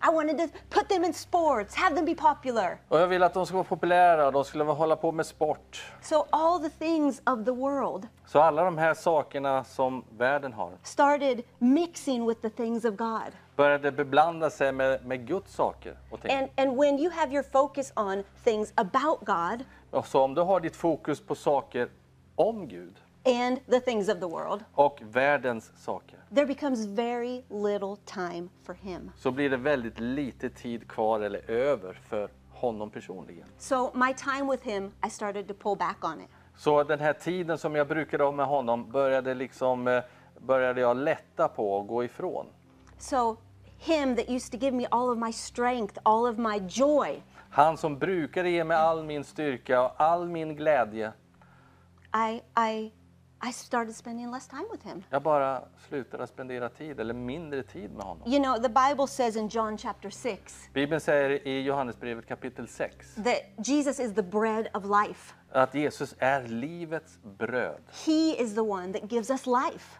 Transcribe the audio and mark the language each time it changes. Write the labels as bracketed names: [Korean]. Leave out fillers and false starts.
[English] I wanted to put them in sports, have them be popular. [Swedish] Och jag ville att de skulle vara populära, de skulle vara hålla på med sport. [English] So all the things of the world. [Swedish] Så alla de här sakerna som världen har. [English] Started mixing with the things of God. [Swedish] Började beblanda sig med Guds saker och ting. [English] And when you have your focus on things about God. [Swedish] Och så om du har ditt fokus på saker om Gud. [English] And the things of the world. [Swedish] Och världens saker. [English] There becomes very little time for him. [Swedish] Så blir det väldigt lite tid kvar eller över för honom personligen. [English] So my time with him, I started to pull back on it. [Swedish] Så den här tiden som jag brukade ha med honom började liksom började jag lätta på och gå ifrån. [English] So him that used to give me all of my strength, all of my joy. [Swedish] Han som brukade ge mig all min styrka och all min glädje. [English] I started spending less time with him. [Swedish] Jag bara slutade spendera tid eller mindre tid med honom. [English] You know, the Bible says in John chapter 6. [Swedish] Bibeln säger I Johannesbrevet kapitel 6. [English] That Jesus is the bread of life. [Swedish] Att Jesus är livets bröd. [English] He is the one that gives us life.